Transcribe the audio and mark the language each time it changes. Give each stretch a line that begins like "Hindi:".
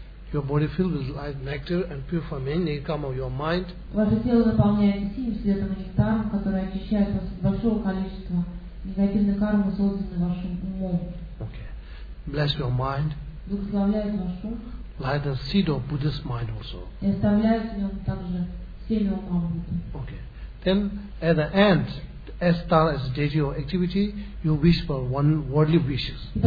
English: Your body filled with light nectar and purified many come of your mind.
Russian: Ваше тело наполняется синим светом нектаром, который очищает вас от большого количества негативной кармы, созданной вашим умом.
English: Okay. Bless your mind.
Russian: Благословляет ваш ум.
English: Light the seed of Buddhist mind also.
Russian: И оставляет в нем также семя ума Будды.
English: Okay. Then at the end. As Tara is a deity or activity, you wish for one worldly wishes.